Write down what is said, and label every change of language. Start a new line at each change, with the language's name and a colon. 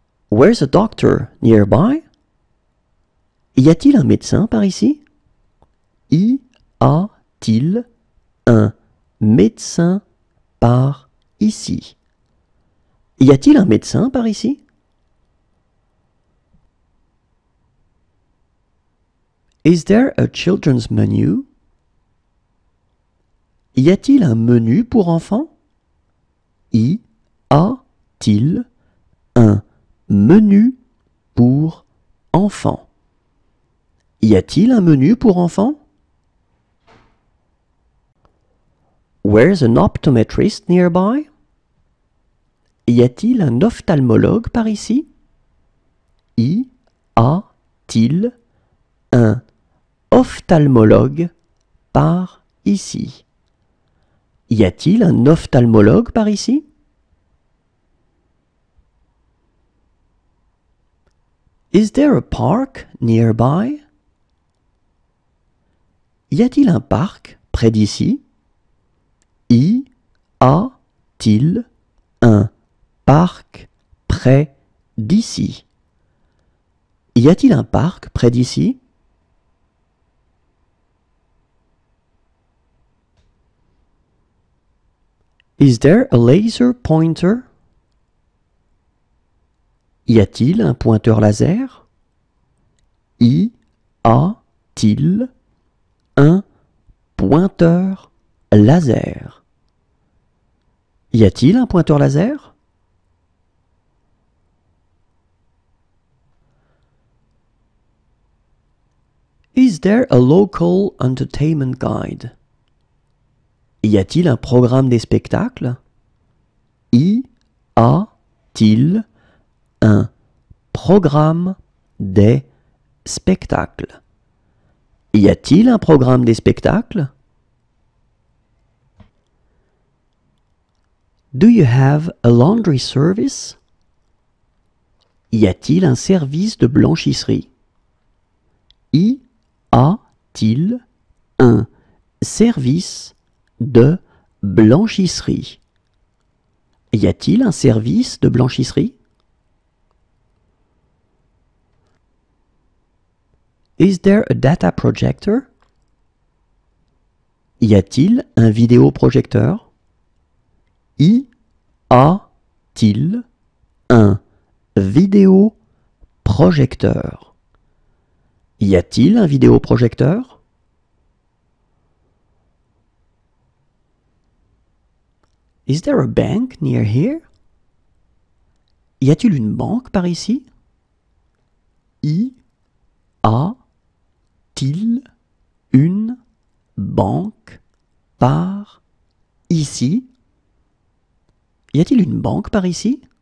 English: Where's a doctor nearby?
French: Y a-t-il un médecin par ici? Y a-t-il un médecin par ici? Y a-t-il un médecin par ici?
English: Is there a children's menu?
French: Y a-t-il un menu pour enfants? Y a-t-il un menu pour enfants? Y a-t-il un menu pour enfants?
English: Where's an optometrist nearby?
French: Y a-t-il un ophtalmologue par ici? Y a-t-il un ophtalmologue par ici? Y a-t-il un ophtalmologue par ici?
English: Is there a park nearby?
French: Y a-t-il un parc près d'ici? Y a-t-il un parc près d'ici? Y a-t-il un parc près d'ici?
English: Is there a laser pointer?
French: Y a-t-il un pointeur laser? Y a-t-il un pointeur laser? Y a-t-il un pointeur laser?
English: Is there a local entertainment guide?
French: Y a-t-il un programme des spectacles? Y a-t-il un programme des spectacles? Y a-t-il un programme des spectacles?
English: Do you have a laundry service?
French: Y a-t-il un service de blanchisserie? Y a-t-il un service de blanchisserie? Y a-t-il un service de blanchisserie?
English: Is there a data projector?
French: Y a-t-il un vidéoprojecteur? Y a-t-il un vidéoprojecteur? Y a-t-il un vidéoprojecteur?
English: Is there a bank near here?
French: Y a-t-il une banque par ici? Y a-t-il une banque par ici? Y a-t-il une banque par ici?